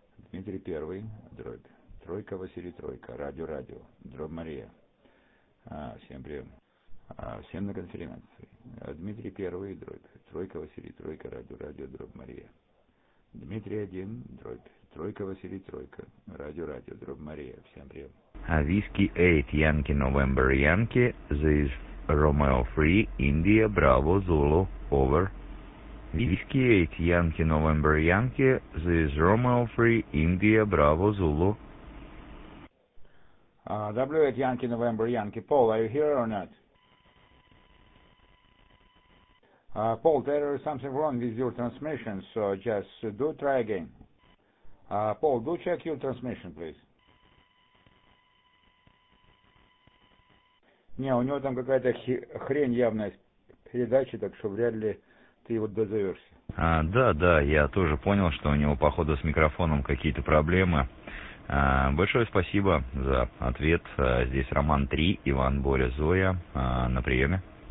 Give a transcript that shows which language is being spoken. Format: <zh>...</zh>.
<ru>Дмитрий 1, дробь тройка, Василий тройка, радио, радио, дробь Мария. Всем прием. Всем на конференции. Дмитрий 1, дробь тройка, Василий тройка, радио, радио, дробь Мария. Дмитрий 1, дробь тройка, Василий тройка, радио, радио, дробь Мария. Всем прием.</ru> <en>Виски 8, Янки, Новембер, Янки, this Romeo 3, India, Bravo, Zulu, over. Виски 8, Янки, Новембер, Янки, this Romeo 3, India, Bravo, Zulu. W8, Янки, Новембер, Янки, Paul, are you here or not? Paul, there is something wrong with your transmission, so just do try again. Paul, do check your transmission, please.</en> <ru>Не, у него там какая-то хрень явная передача, так что вряд ли ты его дозовешься. Да, я тоже понял, что у него, походу, с микрофоном какие-то проблемы. Большое спасибо за ответ. Здесь Роман 3, Иван, Боря, Зоя на приеме.</ru>